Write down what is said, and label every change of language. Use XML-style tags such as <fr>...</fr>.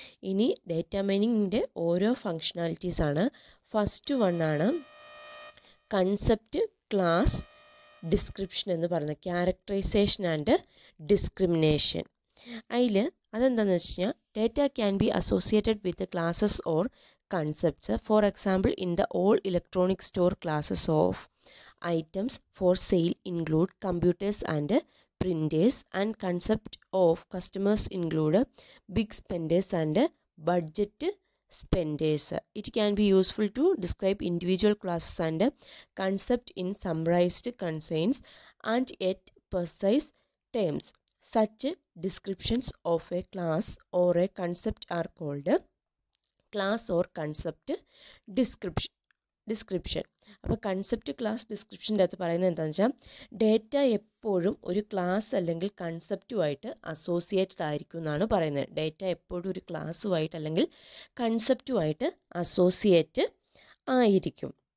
<ml>ഇനി ഡേറ്റ മൈനിങ്ങിൻ്റെ ഓരോ ഫങ്ഷണാലിറ്റീസാണ്. First one ആണ് കൺസെപ്റ്റ് ക്ലാസ് ഡിസ്ക്രിപ്ഷൻ എന്ന് പറയുന്നത്, ക്യാരക്ടറൈസേഷൻ ആൻഡ് ഡിസ്ക്രിമിനേഷൻ. അതിൽ അതെന്താണെന്ന് വെച്ച് കഴിഞ്ഞാൽ</ml> <en>Data can be associated with classes or concepts. For example, in the all electronic store classes of items for sale include computers and printers, and concept of customers include big spenders and budget spenders. It can be useful to describe individual classes and concept in summarized concise and yet precise terms. Such descriptions of a class or a concept are called class or concept description. Description.</en> <ml>അപ്പോൾ concept class ഡിസ്ക്രിപ്ഷൻ്റെ അകത്ത് പറയുന്നത് എന്താണെന്ന് വെച്ചാൽ data എപ്പോഴും ഒരു class അല്ലെങ്കിൽ കൺസെപ്റ്റുമായിട്ട് associated ആയിരിക്കും എന്നാണ് പറയുന്നത്. ഡേറ്റ എപ്പോഴും ഒരു ക്ലാസ്സുമായിട്ട് അല്ലെങ്കിൽ കൺസെപ്റ്റുമായിട്ട് അസോസിയേറ്റ് ആയിരിക്കും.</ml>